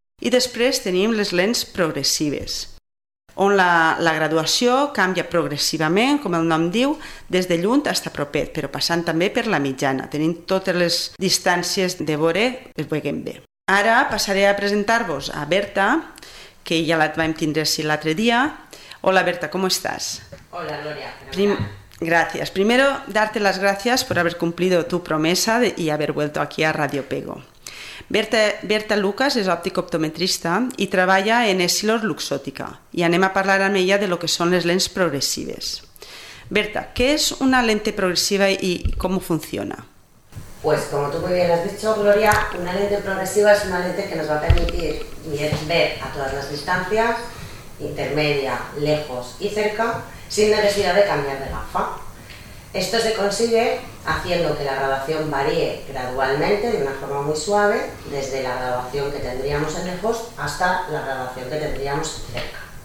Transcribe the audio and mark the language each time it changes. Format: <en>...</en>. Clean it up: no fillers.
<ca>I després tenim les lents progressives, on la graduació canvia progressivament, com el nom diu, des de lluny fins a propet, però passant també per la mitjana. Tenim totes les distàncies de veure, es veiem bé. Ara passaré a presentar-vos a Berta, que ja la vam tindre així l'altre dia. Hola Berta, com estàs? Hola Glòria. Gràcies.</ca> <es>Primero, darte las gracias por haber cumplido tu promesa y haber vuelto aquí a Radio Pego.</es> <ca>Berta Lucas és òptico-optometrista i treballa en Essilor Luxòtica. I anem a parlar amb ella de lo que són les lents progressives. Berta, què és una lente progressiva i com funciona?</ca> <es>Pues como tú muy bien has dicho, Gloria, una lente progressiva es una lente que nos va a permitir ver a todas las distancias, intermedia, lejos y cerca, sin necesidad de cambiar de gafa. Esto se consigue haciendo que la graduación varíe gradualmente, de una forma muy suave, desde la graduación que tendríamos en lejos hasta la graduación que tendríamos en cerca.</es>